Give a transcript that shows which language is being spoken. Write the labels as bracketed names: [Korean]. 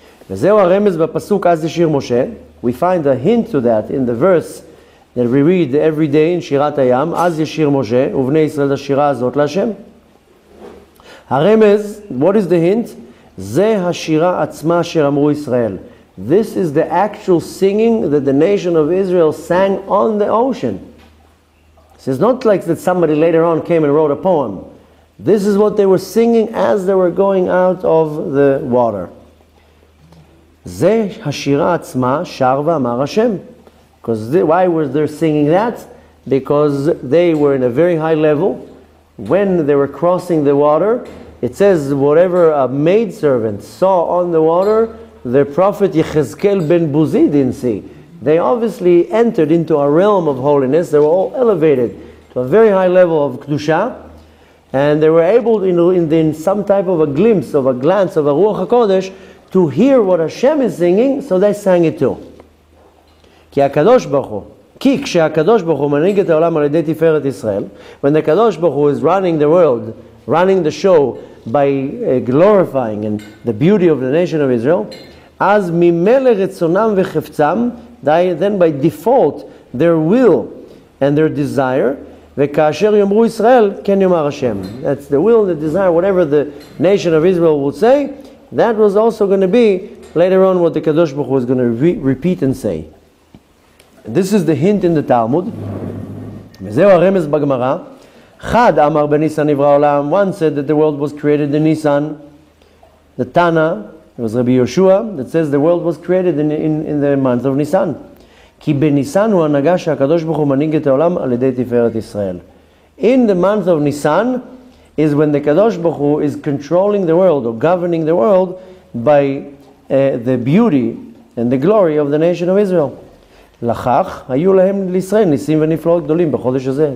[Hebrew] וזהו הרמז בפסוק אז ישיר משה. [English] We find a hint to that in the verse that we read every day in שירת הים. [Hebrew] אז ישיר משה ובני ישראל השירה הזאת להשם. הרמז, [English] what is the hint? [Hebrew] זה השירה עצמה אשר אמרו ישראל. [English] This is the actual singing that the nation of Israel sang on the ocean. So it's not like that somebody later on came and wrote a poem. This is what they were singing as they were going out of the water. [Hebrew] זה השירה עצמה שר ואמר השם. [English] Why were they singing that? Because they were in a very high level. When they were crossing the water, it says whatever a maidservant saw on the water, the prophet Yechezkel ben Buzi didn't see. They obviously entered into a realm of holiness. They were all elevated to a very high level of Kedusha. And they were able, in some type of a glimpse, of a glance, of a Ruach HaKodesh, to hear what Hashem is singing, so they sang it too. [Hebrew] כי הקדוש ברוך הוא, כי כשהקדוש ברוך הוא מנהיג את העולם על ידי תפארת ישראל, [English] when the Kadosh Baruch Hu is running the world, running the show, by glorifying and the beauty of the nation of Israel, [Hebrew] אז ממילא רצונם וחפצם, [English] then by default, their will and their desire, [Hebrew] וכאשר יאמרו ישראל, כן יאמר השם. [English] That's the will, the desire, whatever the nation of Israel would say, that was also going to be, later on, what the Kadosh Baruch Hu was going to repeat and say. This is the hint in the Talmud. [Hebrew] וזהו הרמז בגמרא. חד אמר בניסן נברא העולם. [English] One said that the world was created in Nisan. The Tana, it was Rabbi Yoshua, that says the world was created in the month of Nisan. [Hebrew] כי בניסן הוא הנהגה שהקדוש ברוך הוא מנהיג את העולם על ידי תפארת ישראל. [English] In the month of Nisan is when the Kadosh Baruch Hu is controlling the world or governing the world by the beauty and the glory of the nation of Israel. [Hebrew] לכך היו להם לישראל ניסים ונפלאות גדולים בחודש הזה.